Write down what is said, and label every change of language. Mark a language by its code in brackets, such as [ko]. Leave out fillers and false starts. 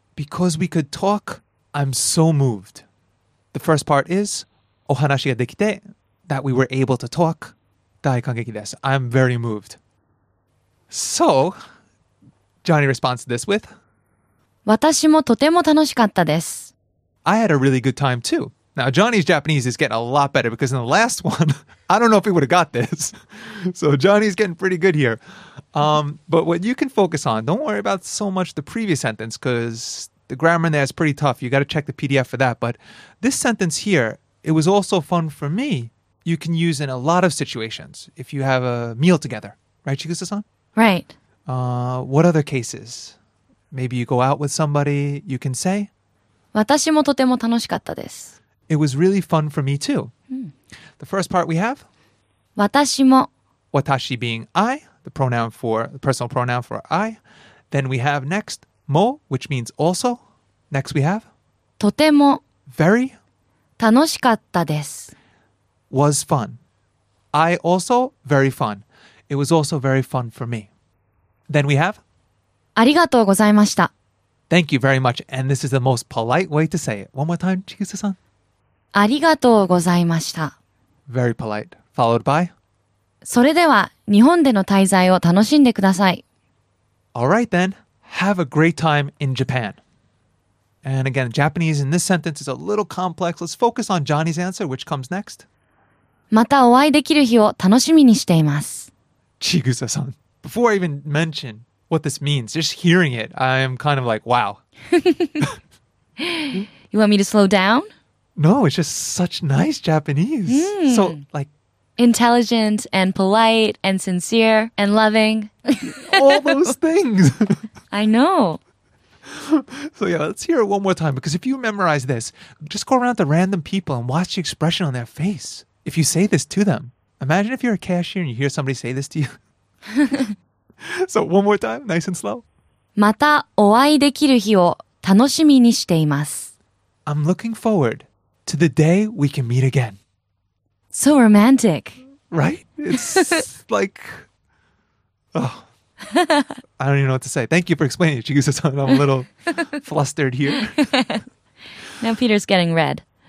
[en] Because we could talk, I'm so moved. The first part is, [ja] お話ができて, [en] that we were able to talk, [ja] 大感激です。 [en] I'm very moved. So... Johnny responds to this with, [ja] 私もとても楽しかったです。 [en] I had a really good time too. Now, Johnny's Japanese is getting a lot better because in the last one, I don't know if he would have got this. So Johnny's getting pretty good here. But what you can focus on, don't worry about so much the previous sentence because the grammar in there is pretty tough. You got to check the PDF for that. But this sentence here, it was also fun for me. You can use in a lot of situations if you have a meal together. Right, Chigusa-san? Right. What other cases? Maybe you go out with somebody, you can say? [ja] 私もとても楽しかったです。 [en] It was really fun for me too.、Mm. The first part we have? [ja] 私も。 [en] 私 being I, the pronoun for, the personal pronoun for I. Then we have next, も, which means also. Next we have? [ja] とても。 [en] Very? [ja] 楽しかったです。 [en] Was fun. I also, very fun. It was also very fun for me. Then we have? [ja] ありがとうございました。 [en] Thank you very much. And this is the most polite way to say it. One more time, Chigusa-san. [ja] ありがとうございました。 [en] Very polite. Followed by? [ja] それでは、日本での滞在を楽しんでください。 [en] All right then. Have a great time in Japan. And again, Japanese in this sentence is a little complex. Let's focus on Johnny's answer, which comes next. [ja] またお会いできる日を楽しみにしています。 [en] Chigusa-san. Before I even mention what this means, just hearing it, I'm kind of like, wow. You want me to slow down? No, it's just such nice Japanese. Mm. So, like... Intelligent and polite and sincere and loving. All those things. I know. So, yeah, let's hear it one more time. Because if you memorize this, just go around to random people and watch the expression on their face. If you say this to them, imagine if you're a cashier and you hear somebody say this to you. So one more time, nice and slow. [ja] またお会いできる日を楽しみにしています。 [en] I'm looking forward to the day we can meet again. So romantic. Right? It's like... Oh, I don't even know what to say. Thank you for explaining it, Chigusa-san. I'm a little flustered here. Now Peter's getting red.